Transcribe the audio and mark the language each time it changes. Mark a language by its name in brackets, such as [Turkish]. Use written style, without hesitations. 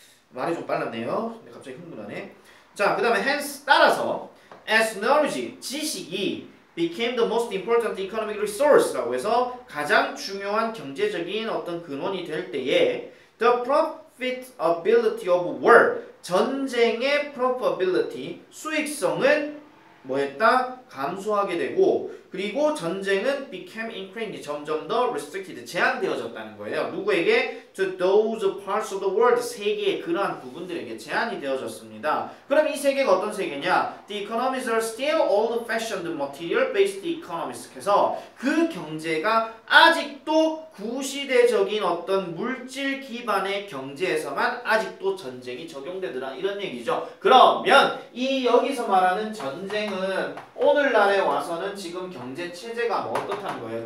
[Korean] 말이 좀 빨랐네요. 갑자기 흥분하네. 자, 그 다음에 hence 따라서 as knowledge, 지식이 [English] became the most important economic resource [Korean] 라고 해서 가장 중요한 경제적인 어떤 근원이 될 때에 [English] the profitability of war, [Korean] 전쟁의 profitability, 수익성은 뭐 했다? 감소하게 되고 그리고 전쟁은 [English] became increased, [Korean] 점점 더 restricted, 제한되어졌다는 거예요. 누구에게? [English] To those parts of the world, [Korean] 세계의 그러한 부분들에게 제한이 되어졌습니다. 그럼 이 세계가 어떤 세계냐? [English] The economies are still old-fashioned material-based economies. [Korean] 그래서 그 경제가 아직도 구시대적인 어떤 물질 기반의 경제에서만 아직도 전쟁이 적용되더라 이런 얘기죠. 그러면 이 여기서 말하는 전쟁은 오늘날에 와서는 지금 경제 체제가 뭐 어떻다는 거예요?